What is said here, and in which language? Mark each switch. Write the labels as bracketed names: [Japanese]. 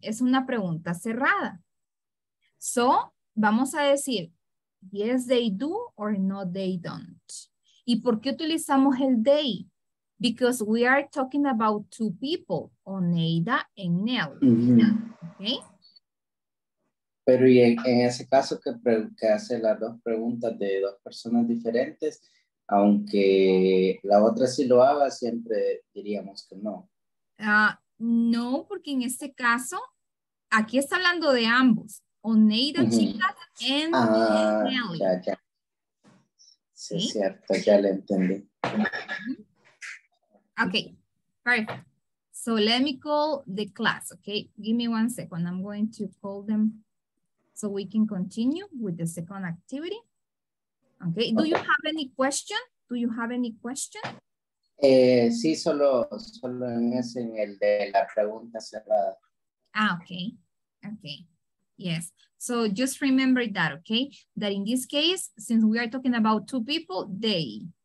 [Spanish] Es una pregunta cerrada. So, vamos a decir, [English] yes, they do or no, they don't. [Spanish] ¿Y por qué utilizamos el they? [English] Because we are talking about two people, Oneida and Nell. Mm-hmm. Okay. [Spanish] Pero y en ese caso que hace las dos preguntas de dos personas diferentes, aunque la otra sí lo haga, siempre diríamos que no. No, porque en este caso, aquí está hablando de ambos. [English] Oneida Chicas and Nelly. [Spanish] Ya, ya. Sí, es cierto, ya le entendí. [English] Okay, perfect. So let me call the class, okay? Give me 1 second. I'm going to call them so we can continue with the second activity. Okay, okay. Do you have any question? Do you have any question? [Spanish] Sí, solo en ese, en el de la pregunta cerrada. [English] Ah, okay. Okay. Yes. So just remember that, okay? That in this case, since we are talking about two people, they.